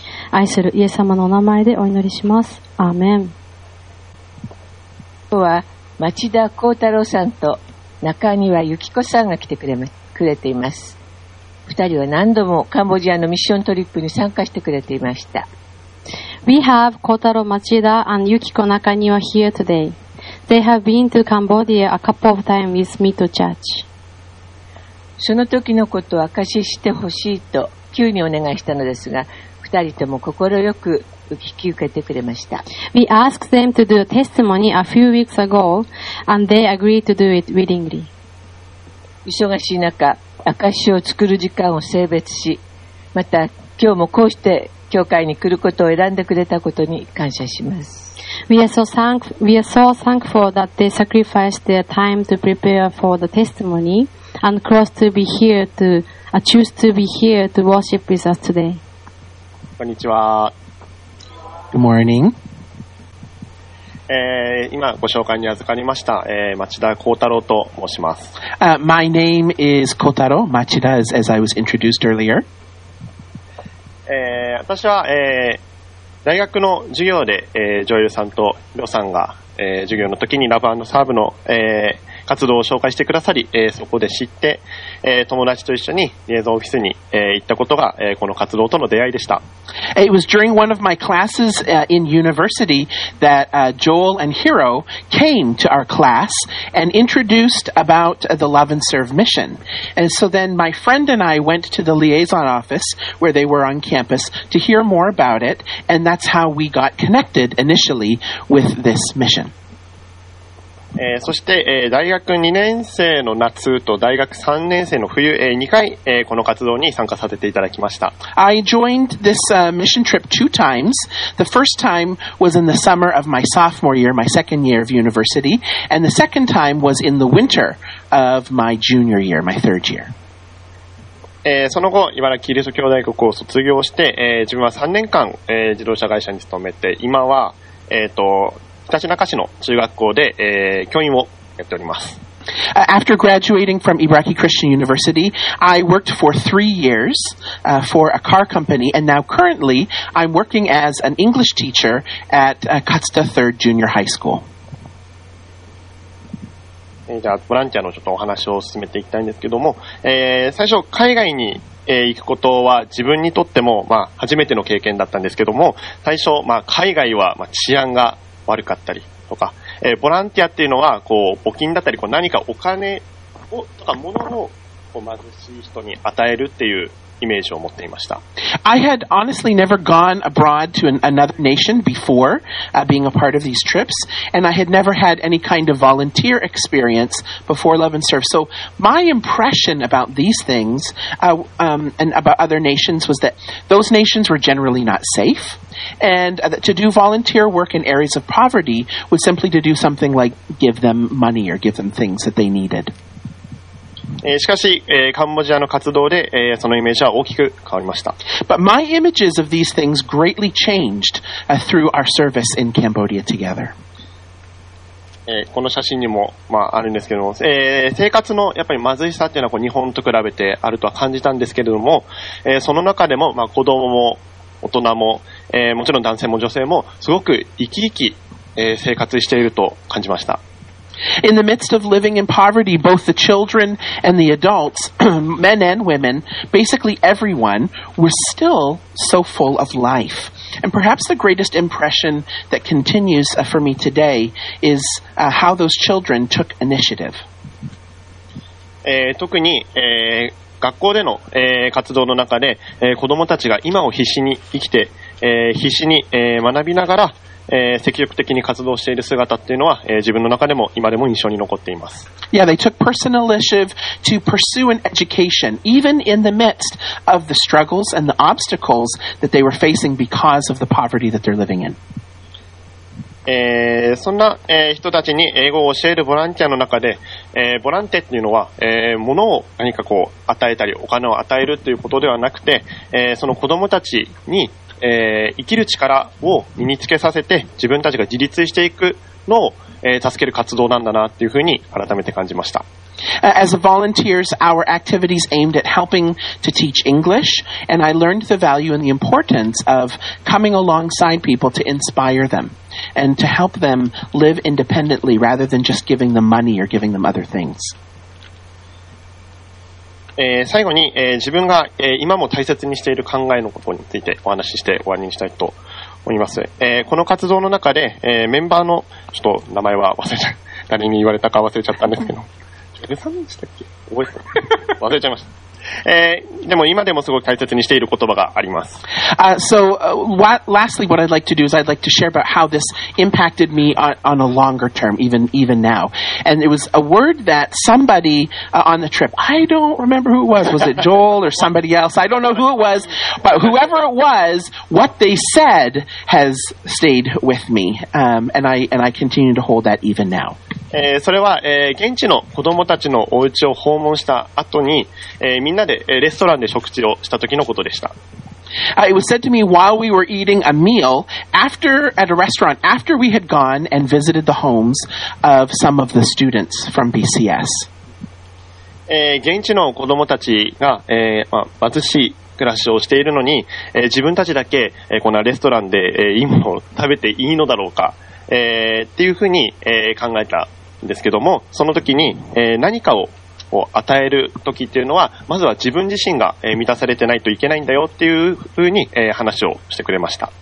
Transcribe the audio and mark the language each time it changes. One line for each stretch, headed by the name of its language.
Japanese: 愛するイエス様のお名前でお祈りします。アーメン。今日は町田幸太郎さんと中庭由紀子さんが来てくれています。二人は何度もカンボジアのミッショントリップに参加してくれていました。
English: We have Kotaro Machida and Yukiko Nakaniwa here today. They have been to Cambodia a couple of times with me to church.
Japanese: その時のことを証ししてほしいと急にお願いしたのですが、二人とも心よく引き受けてくれました。
English: We asked them to do a testimony a few weeks ago, and they agreed to do it willingly.
Japanese: 忙しい中、証しを作る時間を清別し、また今日もこうして教会に来ることを選んでくれたことに感謝します。
English: We are so thankful that they sacrificed their time to prepare for the testimony and cross to be here to、choose to be here to worship with us today.
Japanese: こんにちは。
English: Good morning.
Japanese: 今ご紹介に預かりました、町田幸太郎と申します。
English: My name is Kotaro Machida, as I was introduced earlier.
Japanese: 私は、大学の授業で、ジョエルさんとヒロさんが、授業の時にラブ&サーブの、活動を紹介してくださり、そこで知って、友達と一緒にリエゾンオフィスに、行ったことが、この活動との出会いでした。
English: It was during one of my classes, in university that, Joel and Hiro came to our class and introduced about, the Love and Serve mission. And so then my friend and I went to the liaison office where they were on campus to hear more about it, and that's how we got connected initially with this mission.
Japanese: そして、大学2年生の夏と大学3年生の冬、2回、この活動に参加させていただきました。
English: I joined this, mission trip two times. The first time was in the summer of my sophomore year, my second year of university, and the second time was in the winter of my junior year, my third year.
Japanese: その後、茨城キリスト教大学を卒業して、自分は3年間、自動車会社に勤めて、今は、北中市の中学校で、教員をやっております。
English: After graduating from Ibaraki Christian University, I worked for 3 years, for a car company, and now currently I'm working as an English teacher at, Katsuta Third Junior High School.
Japanese: じゃあ、ボランティアのちょっとお話を進めていきたいんですけども、最初、海外に行くことは自分にとっても、まあ、初めての経験だったんですけども、最初、まあ、海外は、まあ、治安が悪かったりとか、ボランティアっていうのはこう募金だったりこう何かお金をとか物をこう貧しい人に与えるっていうイメージを持っていました。
English: I had honestly never gone abroad to another nation before, being a part of these trips, and I had never had any kind of volunteer experience before Love and Serve. So my impression about these things, and about other nations was that those nations were generally not safe, and to do volunteer work in areas of poverty was simply to do something like give them money or give them things that they needed.
Japanese: しかし、カンボジアの活動で、そのイメージは大きく変わりました。
English: But my images of these things greatly changed, through our service in Cambodia together.
Japanese: この写真にも、まあ、あるんですけども、生活のやっぱり貧しさっていうのはこう日本と比べてあるとは感じたんですけれども、その中でも、まあ、子供も大人も、もちろん男性も女性もすごく生き生き、生活していると感じました。
English: In the midst of living in poverty, both the children and the adults, men and women, basically everyone, were still so full of life. And perhaps the greatest impression that continues for me today is, how those children took initiative.
Japanese: 特に、学校での、活動の中で、子どもたちが今を必死に生きて、必死に、学びながら、積極的に活動している姿っていうのは、自分の中でも今でも印象に残っています。
English: Yeah, they took personal initiative to pursue an education, even in the midst of the struggles and the obstacles that they were facing because of the poverty that they're living in.
Japanese: そんな、人たちに英語を教えるボランティアの中で、ボランティアっていうのは、物を何かこう与えたりお金を与えるということではなくて、その子どもたちに生きる力を身につけさせて自分たちが自立していくのを、助ける活動なんだなっていうふうに改めて感じました。
English: As volunteers, our activities aimed at helping to teach English, and I learned the value and the importance of coming alongside people to inspire them and to help them live independently rather than just giving them money or giving them other things.
Japanese: 最後に、自分が、今も大切にしている考えのことについてお話しして終わりにしたいと思います。この活動の中で、メンバーの、ちょっと名前は忘れちゃう。誰に言われたか忘れちゃったんですけど。ジョエルさんでしたっけ？覚えてた。忘れちゃいました。でも今でもすごく大切にしている言葉があります。
English: Lastly, what I'd like to do is I'd like to share about how this impacted me on a longer term, even now. And it was a word that somebody, on the trip, I don't remember who it was it Joel or somebody else? I don't know who it was, but whoever it was, what they said has stayed with me. And I continue to hold that even now.
Japanese: それは、現地の子供たちのお家を訪問した後に、みんなでレストランで食事をした時のことでした。
English: It was said to me while we were eating a meal after at a restaurant after we had gone and visited the homes of some of the students from BCS.
Japanese: 現地の子供たちが、貧しい暮らしをしているのに、自分たちだけ、このレストランで、いいものを食べていいのだろうか、っていうふうに、考えたんですけども、その時に、何かを与える時っていうのはまずは自分自身が満たされてないといけないんだよっていうふうに話をしてくれました。